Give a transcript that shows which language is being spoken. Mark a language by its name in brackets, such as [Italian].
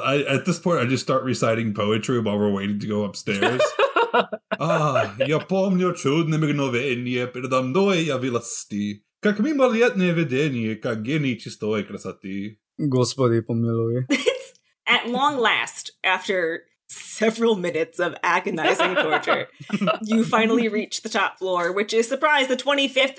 [English] At this point, I just start reciting poetry while we're waiting to go upstairs. [Russian] Я помню чудное мгновение, передо мной явилось, как мимо летнее видение, как гений чистой красоты. Господи помилуй. [English] At long last, after several minutes of agonizing torture, you finally reach the top floor, which is surprise, the 25th.